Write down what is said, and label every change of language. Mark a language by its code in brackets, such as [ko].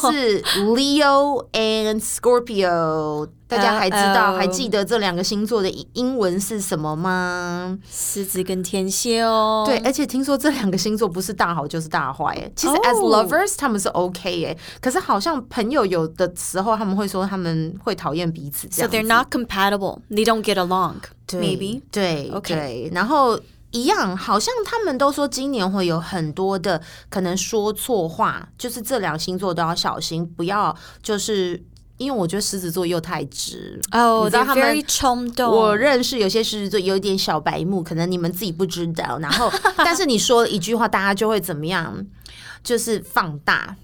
[zh] 是 Leo and Scorpio 大家还知道、还记得这两个星座的英文是什么吗狮子跟天蝎哦对而且听说这两个星座不是大好就是大坏、欸、其实 [en] as lovers、 [zh] oh. 他们是 OK、欸、可是好像朋友有的时候他们会说他们会讨厌彼此这样 [en] So they're not compatible They don't get along [zh] 对 [en] Maybe [zh] 对 [en] OK [zh] 对然后一样好像他们都说今年会有很多的可能说错话就是这两星座都要小心不要就是因为我觉得狮子座又太直 [en] 哦、oh, they're very 冲动 [zh] 我认识有些狮子座有点小白目可能你们自己不知道然后但是你说一句话大家就会怎么样就是放大